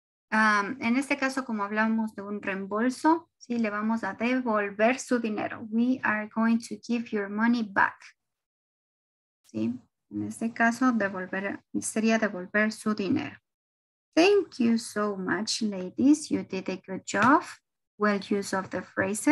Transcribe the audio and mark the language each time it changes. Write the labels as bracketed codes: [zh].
[es] En este caso, como hablamos de un reembolso, si le vamos a devolver su dinero. [en] We are going to give your money back. [es] Si, en este caso, devolver, sería devolver su dinero. [en] Thank you so much, ladies. You did a good job. Well, use of the phrases.